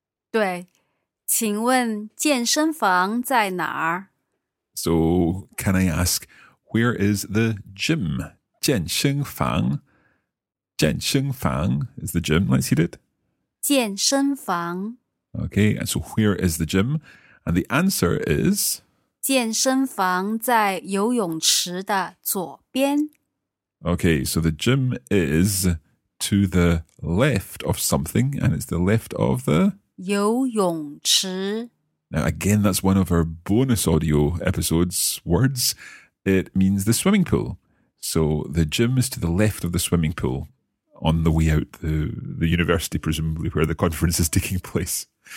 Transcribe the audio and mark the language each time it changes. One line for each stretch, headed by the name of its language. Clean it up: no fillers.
Chinese: 对,请问健身房在哪儿?
English: So, can I ask, where is the gym?
Chinese: 健身房?
English: 健身房 is the gym. Let's hear it.
Chinese: 健身房.
English: Okay, and so where is the gym? And the answer is...
Chinese: 健身房在游泳池的左边.
English: Okay, so the gym is to the left of something, and it's the left of the...
Chinese: 游泳池.
English: Now, again, that's one of our bonus audio episodes words. It means the swimming pool. So the gym is to the left of the swimming pool on the way out the university, presumably, where the conference is taking place.